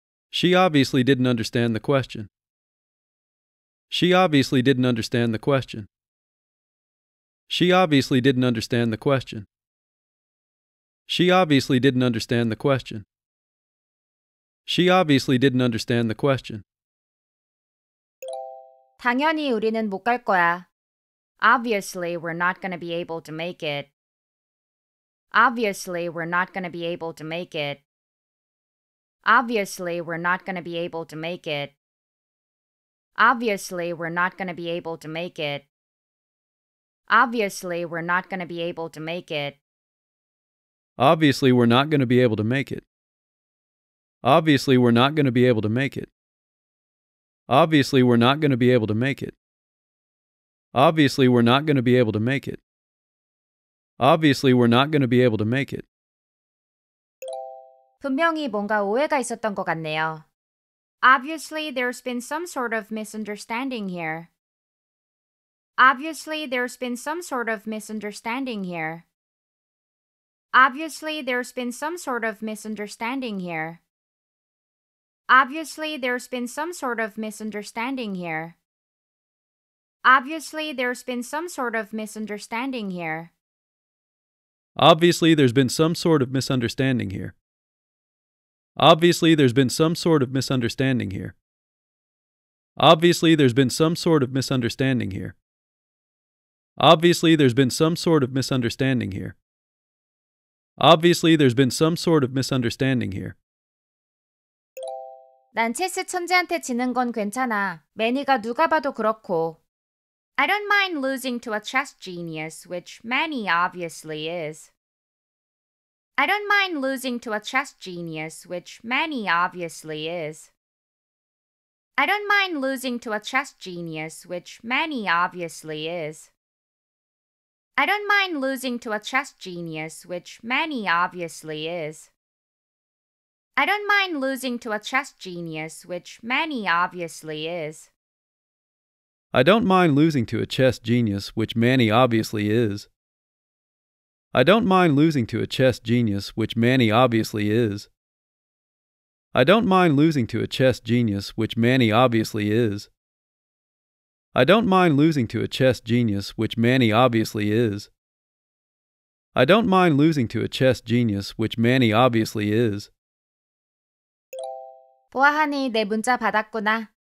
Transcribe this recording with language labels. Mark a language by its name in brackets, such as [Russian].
[English] She obviously didn't understand the question. She obviously didn't understand the question. She obviously didn't understand the question. She obviously didn't understand the question. She obviously didn't understand the question. [Korean] 당연히 우리는 못 갈 거야. [English] Obviously, we're not going to be able to make it. Obviously, we're not going to be able to make it. Obviously, we're not going to be able to make it. Obviously, we're not going to be able to make it. Obviously, we're not going to be able to make it. Obviously, we're not going to be able to make it. Obviously, we're not going to be able to make it. Obviously, we're not going to be able to make it. Obviously, we're not going to be able to make it. Obviously, we're not going to be able to make it. [Korean] 분명히 뭔가 오해가 있었던 것 같네요. [English] Obviously, there's been some sort of misunderstanding here. Obviously, there's been some sort of misunderstanding here. Obviously, there's been some sort of misunderstanding here. Obviously, there's been some sort of misunderstanding here. Obviously, there's been some sort of misunderstanding here. Obviously, there's been some sort of misunderstanding here. Obviously, there's been some sort of misunderstanding here. Obviously, there's been some sort of misunderstanding here. Obviously, there's been some sort of misunderstanding here. Obviously, there's been some sort of misunderstanding here. [Korean] 난 체스 천재한테 지는 건 괜찮아. 매니가 누가 봐도 그렇고. [English] I don't mind losing to a chess genius, which Manny obviously is. I don't mind losing to a chess genius, which Manny obviously is. I don't mind losing to a chess genius, which Manny obviously is. I don't mind losing to a chess genius, which Manny obviously is. I don't mind losing to a chess genius, which Manny obviously is. I don't mind losing to a chess genius, which Manny obviously is. I don't mind losing to a chess genius, which Manny obviously is. I don't mind losing to a chess genius, which Manny obviously is. I don't mind losing to a chess genius, which Manny obviously is. I don't mind losing to a chess genius, which Manny obviously is. [Korean] 보아하니 내 문자 받았구나.